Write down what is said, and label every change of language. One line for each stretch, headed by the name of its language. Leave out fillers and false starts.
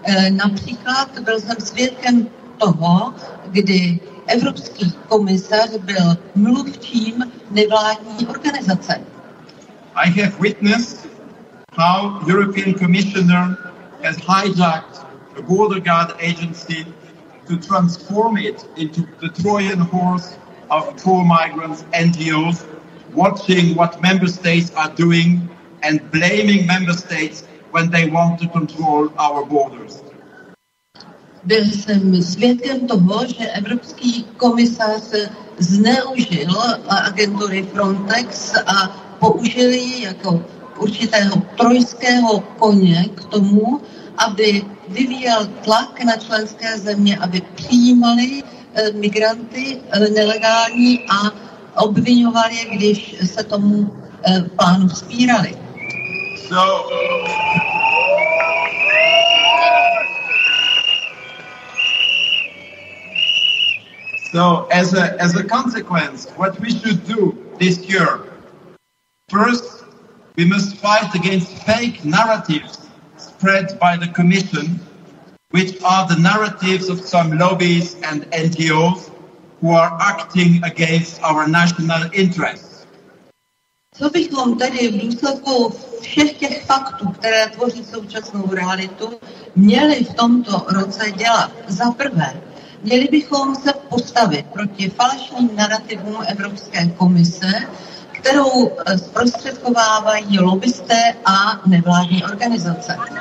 Czech: Například byl jsem svědkem toho, kdy evropský komisař byl mluvčím nevládní organizace.
English: I have witnessed how European commissioner has hijacked the border guard agency to transform it into the Trojan horse of pro-migrants NGOs, watching what member states are doing and blaming member states when they want to control our borders.
Czech: Byl jsem svědkem toho, že evropský komisař zneužil agentury Frontex a použil ji jako určitého trojského koně k tomu, aby vyvíjel tlak na členské země, aby přijímali migranty nelegální a obvinoval je, když se tomu plánu vzpírali.
English: So. So, as a consequence, what we should do this year, first, we must fight against fake narratives spread by the Commission, which are the narratives of some lobbies and NGOs who are acting against our national interests.
Czech: Co bychom tedy v důsledku všech těch faktů, které tvoří současnou realitu, měli v tomto roce dělat? Za prvé, měli bychom se postavit proti falešným narativům Evropské komise, kterou zprostředkovávají lobbysté a nevládní organizace.